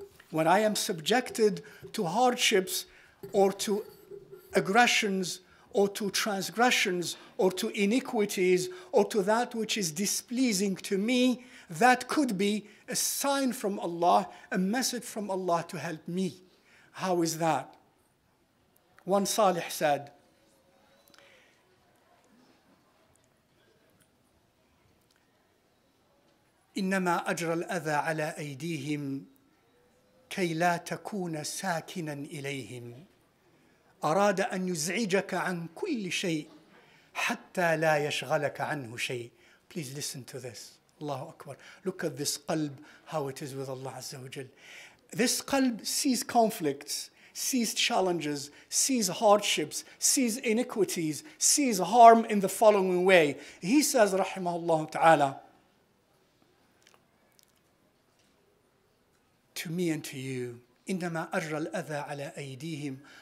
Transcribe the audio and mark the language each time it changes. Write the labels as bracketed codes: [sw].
[en] When I am subjected to hardships or to aggressions or to transgressions or to iniquities or to that which is displeasing to me, that could be a sign from Allah, a message from Allah to help me. How is that? One salih said, [ar] إِنَّمَا أَجْرَ الْأَذَى عَلَىٰ أَيْدِيهِمْ كَيْ لَا تَكُونَ سَاكِنًا إِلَيْهِمْ أَرَادَ أَنْ يُزْعِجَكَ عَنْ كُلِّ شَيْءٍ حَتَّى لَا يَشْغَلَكَ عَنْهُ شَيْءٍ. [en] Please listen to this. Allahu Akbar. Look at this qalb, how it is with Allah Azza wa Jal. This qalb sees conflicts, sees challenges, sees hardships, sees iniquities, sees harm in the following way. He says, rahimahullah ta'ala, to me and to you, [ar] إِنَّمَا أَجْرَ الْأَذَى عَلَىٰ أَيْدِيهِمْ.